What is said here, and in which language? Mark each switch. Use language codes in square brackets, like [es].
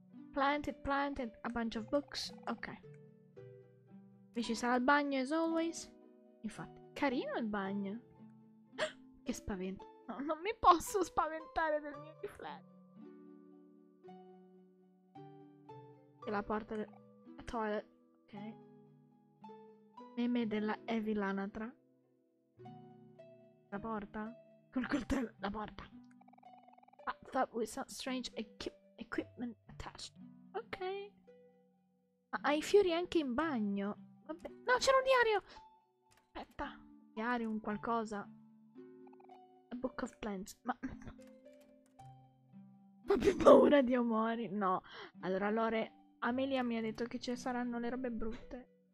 [en] Planted a bunch of books. Ok. [it] Qui ci sarà il bagno, [en] as always. [it] Infatti, carino il bagno. Che spavento. No, non mi posso spaventare del mio riflesso. E la porta del... [en] A toilet. [it] Ok. Meme della Evie Lanatra. La porta? Col coltello. La porta. [en] I thought with some strange equipment attached. Ok. [it] Ma hai fiori anche in bagno? Vabbè. No, c'era un diario! Aspetta. Diario, un qualcosa. [en] A book of plants. [it] Ma... Ho più paura di Omori. No. Allora, Lore... Amelia mi ha detto che ci saranno le robe brutte.